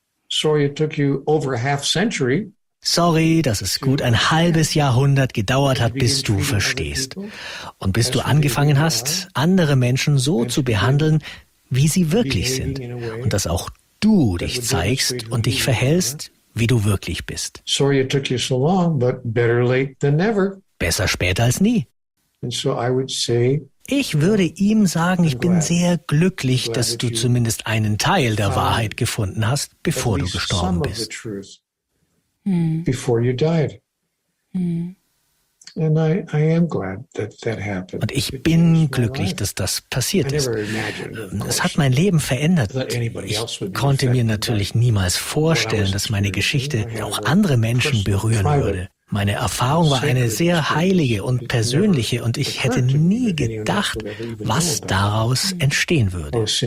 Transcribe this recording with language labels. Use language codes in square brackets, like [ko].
[en] Sorry, it took you over a half century. [de] Sorry, dass es gut ein halbes Jahrhundert gedauert hat, bis du verstehst. Und bis du angefangen hast, andere Menschen so zu behandeln, wie sie wirklich sind. Und dass auch du dich zeigst und dich verhältst, wie du wirklich bist. [en] Sorry, it took you so long, but better late than never. [de] Besser später als nie. [en] And so I would say, [de] ich würde ihm sagen, ich bin sehr glücklich, dass du zumindest einen Teil der Wahrheit gefunden hast, bevor du gestorben bist. [en] Before you died. And I am glad that that happened. [de] Und ich bin glücklich, dass das passiert ist. Es hat mein Leben verändert. Ich konnte mir natürlich niemals vorstellen, dass meine Geschichte auch andere Menschen berühren würde. Meine Erfahrung war eine sehr heilige und persönliche, und ich hätte nie gedacht, was daraus entstehen würde.